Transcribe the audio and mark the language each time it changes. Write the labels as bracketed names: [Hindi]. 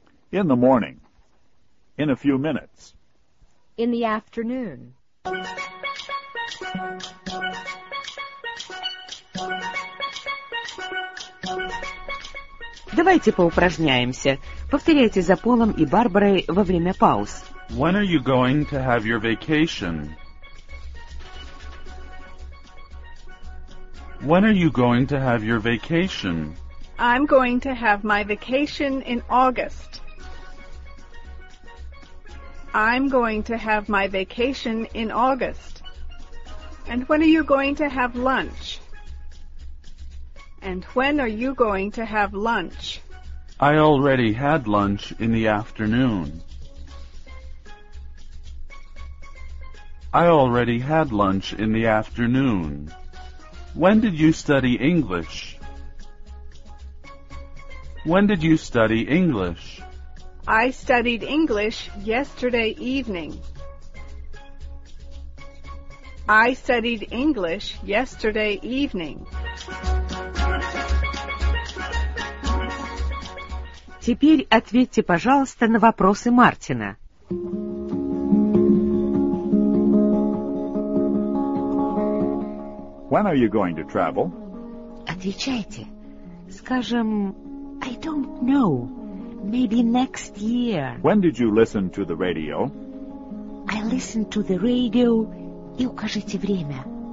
[English] In the morning. In a few minutes. In the afternoon. [Russian] Давайте поупражняемся. Повторяйте за Полом и Барбарой во время пауз. [English] When are you going to have your vacation? When are you going to have your vacation? I'm going to have my vacation in August. I'm going to have my vacation in August. And when are you going to have lunch? And when are you going to have lunch? I already had lunch in the afternoon. I already had lunch in the afternoon. When did you study English? When did you study English? I studied English yesterday evening. I studied English yesterday evening. [Russian] Теперь ответьте, пожалуйста, на вопросы Мартина. [English] When are you going to travel? [Russian] Отвечайте. Скажем, [English] I don't know. Maybe next year. When did you listen to the radio? I listened to the radio. [Russian] И укажите время.